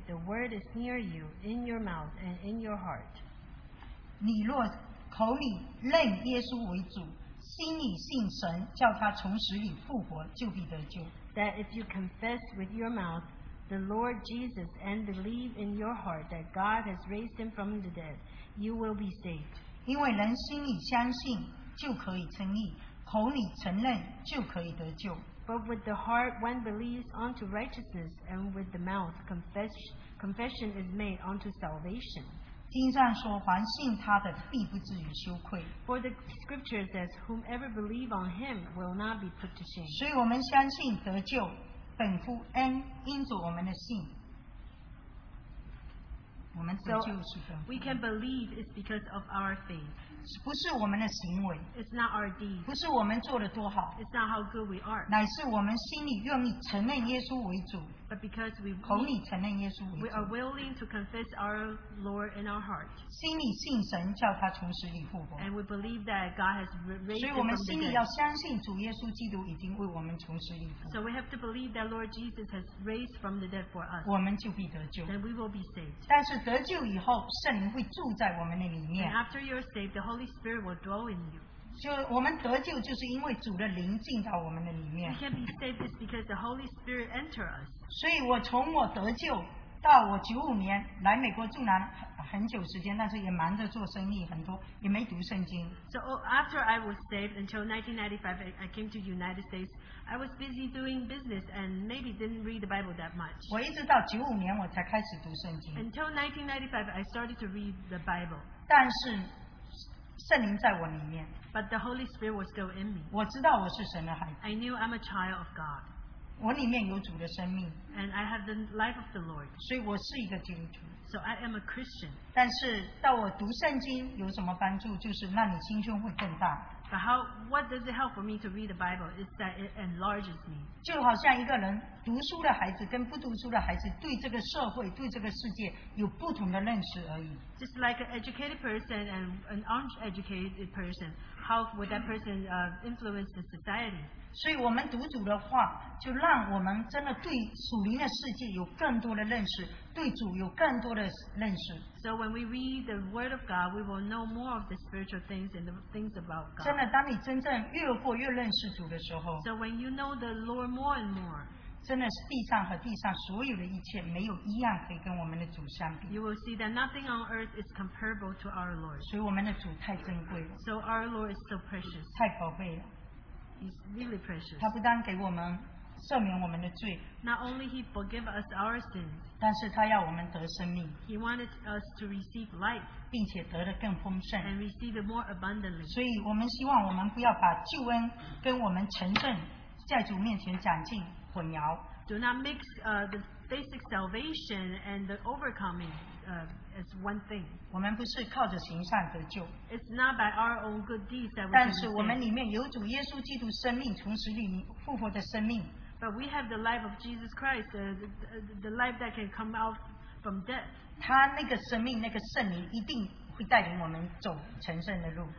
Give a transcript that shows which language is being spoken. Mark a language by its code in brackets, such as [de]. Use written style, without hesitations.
[en] The word is near you, in your mouth and in your heart. [zh] 你若口里认耶稣为主，心里信神，叫他从死里复活，就必得救。 [en] That if you confess with your mouth the Lord Jesus and believe in your heart that God has raised him from the dead, you will be saved. [zh] 因为人心里相信就可以称义，口里承认就可以得救。 [en] But with the heart one believes unto righteousness, and with the mouth confession is made unto salvation. [zh] 经上说，凡信他的必不至于羞愧。 [en] For the scripture says, whomever believe on him will not be put to shame. [zh] 所以我们相信得救，本乎恩，因着我们的信。我们得救是本乎。 [en] We can believe it's because of our faith. [zh] 不是我们的行为， [en] it's not our deed. [zh] 不是我们做的多好， [en] it's not how good we are. [zh] 乃是我们心里愿意承认耶稣为主， [en] but because we, [zh] 口里承认耶稣为主， [en] we are willing to confess our Lord in our heart. [zh] 心里信神叫他从死里复活， [en] and we believe that God has raised him from the dead. [zh] 所以我们心里要相信主耶稣基督已经为我们从死里复活， [en] so we have to believe that Lord Jesus has raised from the dead for us. [zh] 我们就必得救， [en] then we will be saved. [zh] 但是得救以后圣灵会住在我们的里面， [en] and after you are saved, the Holy Spirit will dwell in you. [zh] 就我们得救就是因为主的灵进到我们的里面。 [en] We can be saved is because the Holy Spirit enter us. [zh] 所以我从我得救到我95年来美国住南很久时间，但是也忙着做生意，很多也没读圣经。 [en] So after I was saved until 1995, I came to United States. I was busy doing business and maybe didn't read the Bible that much. [zh] 我一直到95年我才开始读圣经。 [en] Until 1995, I started to read the Bible. [zh] 但是圣灵在我里面， [en] but the Holy Spirit was still in me. [zh] 我知道我是神的孩子， [en] I knew I'm a child of God. [zh] 我里面有主的生命， [en] and I have the life of the Lord. [zh] 所以我是一个基督徒， [en] so I am a Christian. [zh] 但是到我读圣经有什么帮助，就是让你心胸会更大。 [en] But how, what does it help for me to read the Bible is that it enlarges me. [zh] 就好像一个人读书的孩子跟不读书的孩子对这个社会对这个世界有不同的认识而已。 [en] Just like an educated person and an uneducated person, how would that person influence the society? [zh] 所以我们读主的话，就让我们真的对属灵的世界有更多的认识，对主有更多的认识。 [en] So when we read the Word of God, we will know more of the spiritual things and the things about God. [zh] 真的，当你真正越过越认识主的时候 [en] ，So when you know the Lord more and more. [zh] 真的是地上和地上所有的一切没有一样可以跟我们的主相比。 [en] You will see that nothing on earth is comparable to our Lord. [zh] 所以我们的主太珍贵了。 [en] So our Lord is so precious. [zh] 太宝贝了。 [en] He's really precious. [zh] 他不但给我们赦免我们的罪。 [en] Not only he forgive us our sins. [zh] 但是他要我们得生命。 [en] He wanted us to receive life. [zh] 并且得的更丰盛。 [en] And receive it more abundantly. [zh] 所以我们希望我们不要把救恩跟我们承认在主面前讲尽。 [en] Do not mix the basic salvation and the overcoming as one thing. [zh] 我们不是靠着行善得救。 [en] It's not by our own good deeds that we can be saved. [zh] 但是我们里面有主耶稣基督生命，从死里复活的生命。 [en] But we have the life of Jesus Christ, the life that can come out from death. [zh] 他那个生命，那个圣灵一定会带领我们走成圣的路。